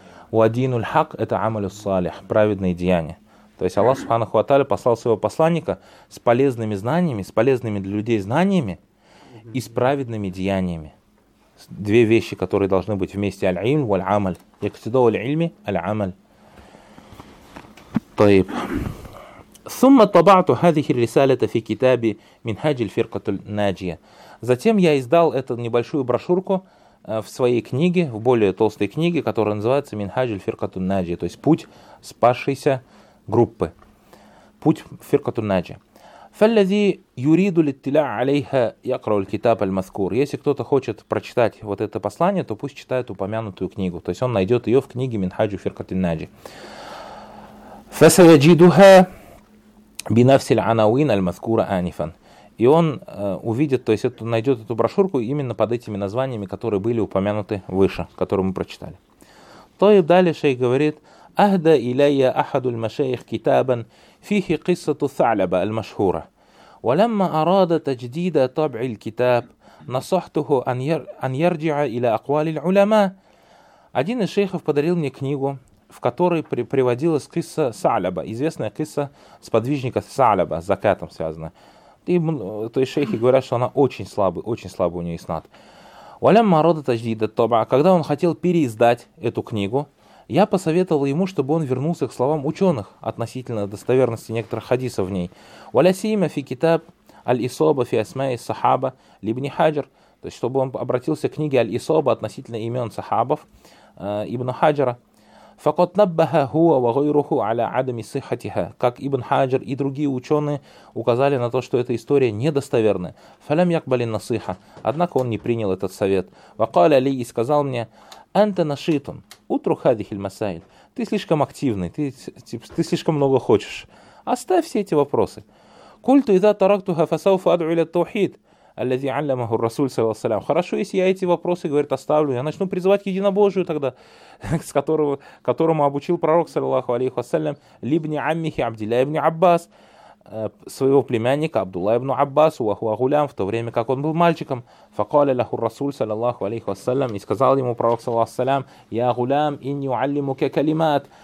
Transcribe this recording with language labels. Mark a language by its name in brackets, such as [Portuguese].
[Russian] Уадинуль-хак – это амалю-салих, праведные деяния. То есть Аллах субханаху ва тааля послал своего посланника с полезными знаниями, с полезными для людей знаниями и с праведными деяниями. Две вещи, которые должны быть вместе: аль-ильм валь-амаль. [Arabic] Яктидо аль-ильми аль-амаль. Таиб. ثم طبعت هذه الرسالة في كتابي منهج الفرقة الناجية. [Russian] Затем я издал эту небольшую брошюрку в своей книге, в более толстой книге, которая называется Минхадж аль-Фирка ат-Наджия, то есть путь спасшейся группы. Путь Фирка ат-Наджия. [Arabic] فالذي يريد الاطلاع عليها يقرأ الكتاب المذكور. [Russian] Если кто-то хочет прочитать вот это послание, то пусть читает упомянутую книгу. То есть он найдет ее в книге Минхадж аль-Фирка ат-Наджия. [Arabic] فسيجدها بنفس العناوين المذكورة آنفا. [Russian] И он увидит, то есть это, найдет эту брошюрку именно под этими названиями, которые были упомянуты выше, которые мы прочитали. То и далее шейх говорит: [Arabic] أهدى إلي أحد المشايخ كتابا فيه قصة ثعلبة المشهورة ولما أراد تجديد طبع الكتاب نصحته أن يرجع إلى أقوال العلماء. [Russian] Один из шейхов подарил мне книгу, в которой приводилась кисса Саляба, известная кисса сподвижника Саляба, с закатом связана. И то есть шейхи говорят, что она очень слабая, очень слабый у нее иснад. [Arabic] Валям Марода Тажида Тоба, [Russian] когда он хотел переиздать эту книгу, я посоветовал ему, чтобы он вернулся к словам ученых относительно достоверности некоторых хадисов в ней. [Arabic] Валясима Фикитаб Аль-Исоба Фиасмей Сахаба Либни Хаджар, [Russian] то есть чтобы он обратился к книге Аль-Исоба относительно имен сахабов Ибн Хаджара. [Arabic] فقد نبه هو وغيره على عدم صحتها. [Russian] Как Ибн Хаджар и другие ученые указали на то, что эта история недостоверна. [Arabic] فلم يقبل النصيحة. [Russian] Однако он не принял этот совет. [Arabic] وقال لي, [Russian] и сказал мне: [Arabic] أنت نشيط. اترك هذه المسائل. [Russian] Ты слишком активный. Ты слишком много хочешь. Оставь все эти вопросы. [Arabic] قلت إذا تركتها فسوف أدعو إلى التوحيد الذي علمه الرسول صلى الله عليه وسلم. [Russian] Хорошо, если я эти вопросы, говорит, оставлю, я начну призывать к единобожию тогда, с которого, которому обучил пророк, саллаллаху алейхи вассалям, либни аммихи Абдилля ибн Аббас, своего племянника Абдулла ибн Аббас, [Arabic] уахуа гулям, [Russian] в то время как он был мальчиком. [Arabic] Факаля лаху расуль, [Russian] саллаллаху алейхи вассалям, и сказал ему пророк, саллаллаху алейхи вассалям: [Arabic] я гулям, инни уаллиму ке калимат.